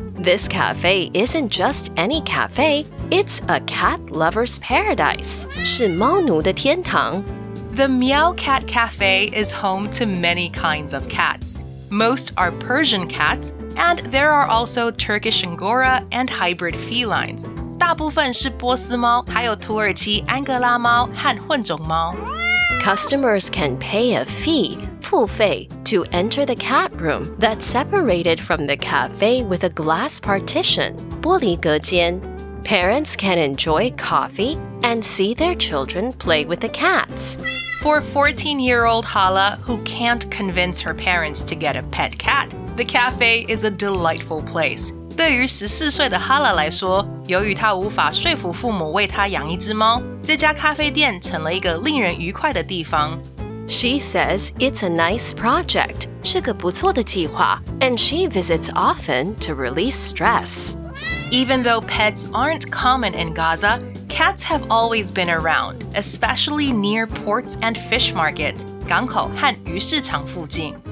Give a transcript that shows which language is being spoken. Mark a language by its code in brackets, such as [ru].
[en] This cafe isn't just any cafe, it's a cat lover's paradise, [zh] 是猫奴的天堂。 [en] The MEOW Cat Cafe is home to many kinds of cats. Most are Persian cats, and there are also Turkish Angora and hybrid felines. [zh] 大部分是波斯猫，还有土耳其安哥拉猫和混种猫。 [en] Customers can pay a fee, [zh] 付费, [en] to enter the cat room that's separated from the cafe with a glass partition, [zh] 玻璃隔间。 [en] Parents can enjoy coffee and see their children play with the cats. For 14-year-old Hala, who can't convince her parents to get a pet cat, the cafe is a delightful place. [zh] 对于14岁的 Hala 来说，由于她无法说服父母为她养一只猫，这家咖啡店成了一个令人愉快的地方。 [en] She says it's a nice project, [zh] 是个不错的计划, [en] and she visits often to release stress. Even though pets aren't common in Gaza, cats have always been around, especially near ports and fish markets, [zh] 港口和鱼市场附近。